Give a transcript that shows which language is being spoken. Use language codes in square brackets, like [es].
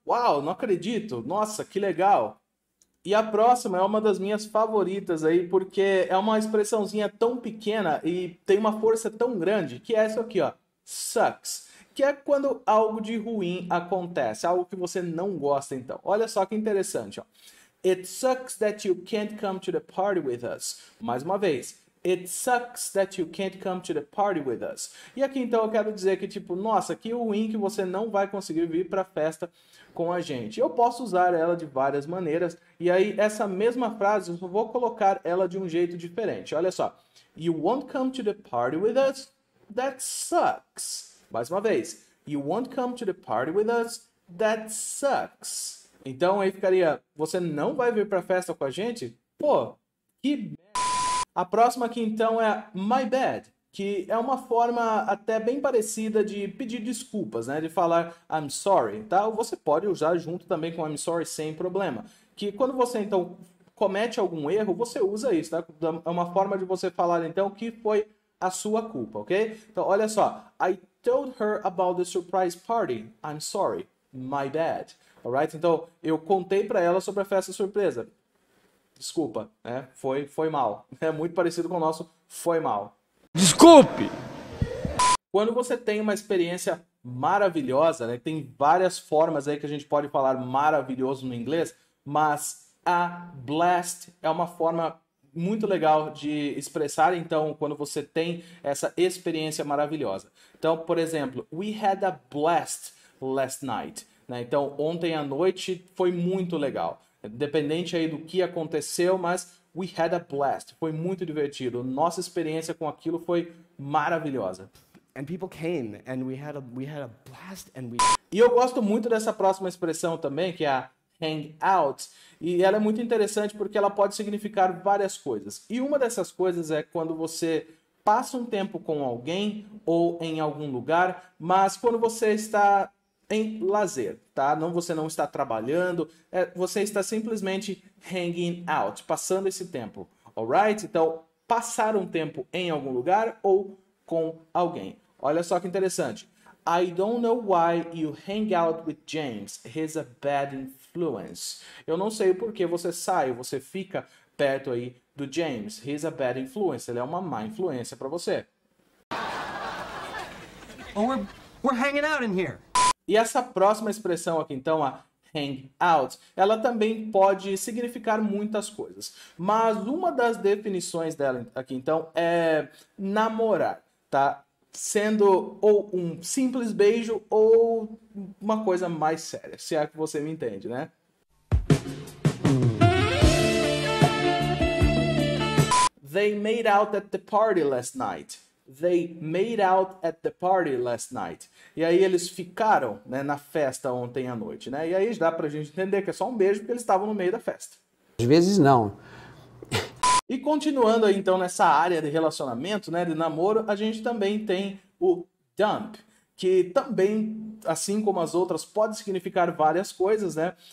[pt] Uau, não acredito! Nossa, que legal! E a próxima é uma das minhas favoritas aí, porque é uma expressãozinha tão pequena e tem uma força tão grande, que é essa aqui, ó. Sucks. Que é quando algo de ruim acontece, algo que você não gosta, então. Olha só que interessante, ó. [en] It sucks that you can't come to the party with us. [pt] Mais uma vez. [en] It sucks that you can't come to the party with us. [pt] E aqui, então, eu quero dizer que, tipo, nossa, que ruim que você não vai conseguir vir para a festa com a gente. Eu posso usar ela de várias maneiras. E aí, essa mesma frase, eu vou colocar ela de um jeito diferente. Olha só. [en] You won't come to the party with us? That sucks. [pt] Mais uma vez, [en] you won't come to the party with us? That sucks. [pt] Então aí ficaria, você não vai vir para a festa com a gente? Pô, que merda. A próxima aqui então é my bad, que é uma forma até bem parecida de pedir desculpas, né? De falar I'm sorry, tá? Você pode usar junto também com I'm sorry sem problema. Que quando você então comete algum erro, você usa isso, tá? É uma forma de você falar então que foi a sua culpa, ok? Então olha só, [en] I told her about the surprise party. I'm sorry. My bad. Alright? [pt] Então, eu contei para ela sobre a festa surpresa. Desculpa, né? Foi mal. É muito parecido com o nosso foi mal. Desculpe! Quando você tem uma experiência maravilhosa, né? Tem várias formas aí que a gente pode falar maravilhoso no inglês, mas a blast é uma forma muito legal de expressar, então, quando você tem essa experiência maravilhosa. Então, por exemplo, [en] we had a blast last night, [pt] né? Então, ontem à noite foi muito legal. Dependente aí do que aconteceu, mas [en] we had a blast, [pt] foi muito divertido. Nossa experiência com aquilo foi maravilhosa. [en] And people came and we had a blast and we [pt] E eu gosto muito dessa próxima expressão também, que é a hang out, e ela é muito interessante porque ela pode significar várias coisas. E uma dessas coisas é quando você passa um tempo com alguém ou em algum lugar, mas quando você está em lazer, tá? Não, você não está trabalhando, você está simplesmente hanging out, passando esse tempo. Alright? Então, passar um tempo em algum lugar ou com alguém. Olha só que interessante. [en] I don't know why you hang out with James. He's a bad influence. [pt] Eu não sei por que você sai, você fica perto aí do James. [en] He's a bad influence. [pt] Ele é uma má influência para você. [en] Oh, we're hanging out in here. [pt] E essa próxima expressão aqui, então, a hang out, ela também pode significar muitas coisas. Mas uma das definições dela aqui, então, é namorar, tá? Sendo ou um simples beijo ou uma coisa mais séria, se é que você me entende, né? [en] They made out at the party last night. They made out at the party last night. [pt] E aí eles ficaram, né, na festa ontem à noite, né? E aí dá pra gente entender que é só um beijo porque eles estavam no meio da festa. Às vezes não. E continuando aí então nessa área de relacionamento, né, de namoro, a gente também tem o dump, que também, assim como as outras, pode significar várias coisas, né?